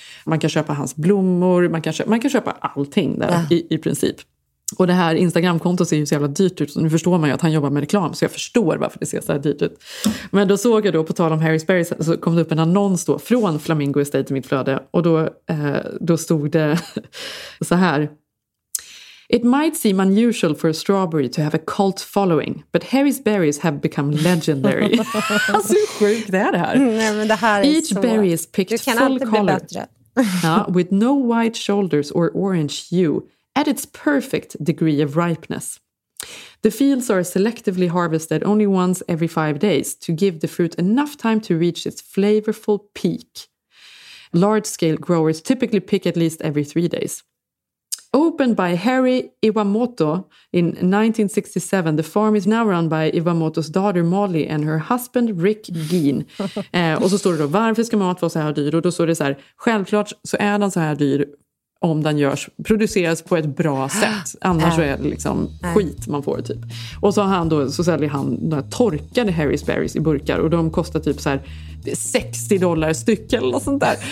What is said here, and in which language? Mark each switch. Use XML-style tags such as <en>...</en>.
<sv>Man kan köpa hans blommor, man kan köpa allting där i princip. Och det här Instagram-kontot ser ju så jävla dyrt ut. Så nu förstår man ju att han jobbar med reklam. Så jag förstår varför det ser så här dyrt ut. Men då såg jag då, på tal om Harry's Berries, så kom det upp en annons då från Flamingo Estate i mitt flöde. Och då stod det så här.</sv> <en>It might seem unusual for a strawberry to have a cult following. But Harry's Berries have become legendary.</en> <sv>Alltså hur sjukt det är det här. Nej, men det här är</sv> <en>each</en> <sv>så...</sv> <en>berry is picked full color.</en> <sv>Du kan alltid bli bättre.</sv> <en>With no white shoulders or orange hue. At its perfect degree of ripeness. The fields are selectively harvested only once every 5 days to give the fruit enough time to reach its flavorful peak. Large-scale growers typically pick at least every 3 days. Opened by Harry Iwamoto in 1967, the farm is now run by Iwamotos daughter Molly and her husband Rick Gein.</en> <sv>Och så står det då, varför ska mat vara så här dyr? Och då står det så här, självklart så är den så här dyr om den görs, produceras på ett bra sätt. Annars så är det liksom skit man får typ. Och så har han då, så säljer han några torkade Harry's Berries i burkar. Och de kostar typ så här $60 styck eller något sånt där.</sv>